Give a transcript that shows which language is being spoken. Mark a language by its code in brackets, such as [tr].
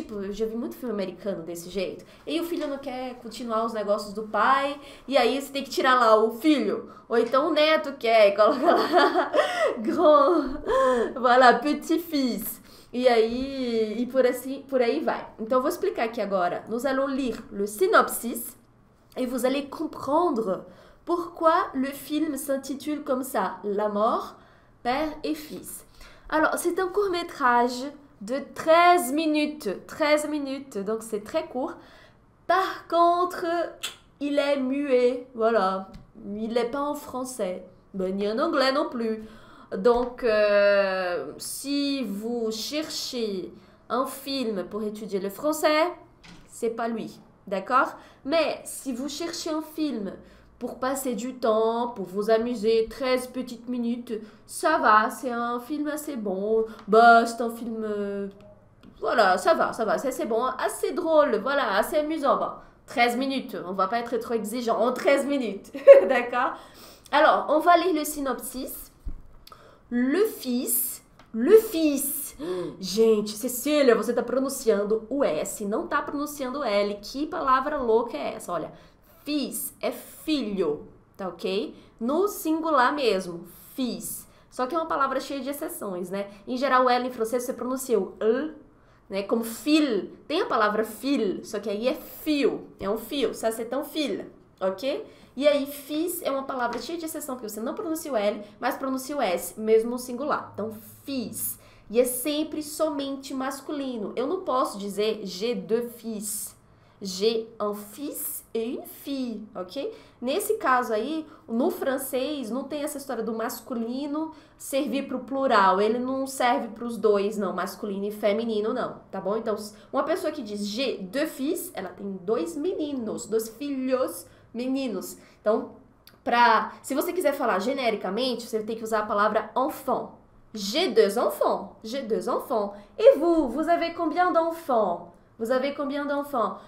[pt] Tipo, eu já vi muito filme americano desse jeito. E o filho não quer continuar os negócios do pai. E aí você tem que tirar lá o filho. Ou então o neto quer e coloca lá. [fr] Grand. Voilà, petit-fils. [pt] E aí. E por assim, por aí vai. Então eu vou explicar aqui agora. [fr] Nous allons lire le synopsis. Et vous allez comprendre pourquoi le film s'intitule comme ça, La mort, père et fils. Alors, c'est un court-métrage de 13 minutes, 13 minutes, donc c'est très court. Par contre, il est muet, voilà. Il n'est pas en français, ben, ni en anglais non plus. Donc, si vous cherchez un film pour étudier le français, c'est pas lui. D'accord? Mais si vous cherchez un film pour passer du temps, pour vous amuser, 13 petites minutes, ça va, c'est un film assez bon. Bah, c'est un film. Voilà, ça va, c'est assez bon, assez drôle, voilà, assez amusant. Bah, 13 minutes, on va pas être trop exigeant en 13 minutes, d'accord? Alors, on va lire le synopsis. Le fils, [pt] gente, Cecília, você tá pronunciando o S, não tá pronunciando o L. Que palavra louca é essa? Olha, fils é filho, tá ok? No singular mesmo, fils. Só que é uma palavra cheia de exceções, né? Em geral, o L em francês você pronuncia o L, né? Como fil, tem a palavra fil, só que aí é fio, é um fio, [fr] ça c'est un fil, [pt] ok? E aí, fiz é uma palavra cheia de exceção, que você não pronuncia o L, mas pronuncia o S, mesmo no singular. Então, fiz. E é sempre somente masculino. Eu não posso dizer [fr] j'ai deux fils. J'ai un fils et une fille, ok? [pt] Nesse caso aí, no francês, não tem essa história do masculino servir para o plural. Ele não serve para os dois, não. Masculino e feminino, não. Tá bom? Então, uma pessoa que diz [fr] j'ai deux fils, [pt] ela tem dois meninos, dois filhos meninos. Então, se você quiser falar genericamente, você tem que usar a palavra enfant. [fr] J'ai deux enfants. J'ai deux enfants. Et vous, vous avez combien d'enfants? Vous avez combien d'enfants?